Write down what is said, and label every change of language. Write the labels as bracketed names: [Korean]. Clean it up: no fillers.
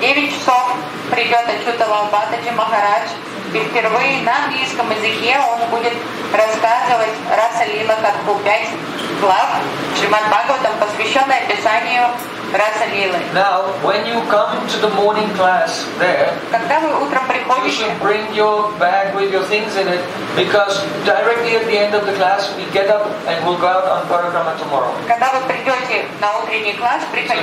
[Russian] В 9 часов придет Ачютала Бхатаджи Махарадж. И впервые на английском языке он будет рассказывать Раса Лила Катху, 5 глав Шримад Бхагаватам, посвященной описанию Раса Лилы. [English] Now, when you come to the morning class there, [Russian] когда вы утром приходите, [English] you should bring your bag with your things in it, because directly at the end of the class we get up and we'll go out on Parakrama tomorrow. [Russian] Когда вы придете на утренний класс, приходите.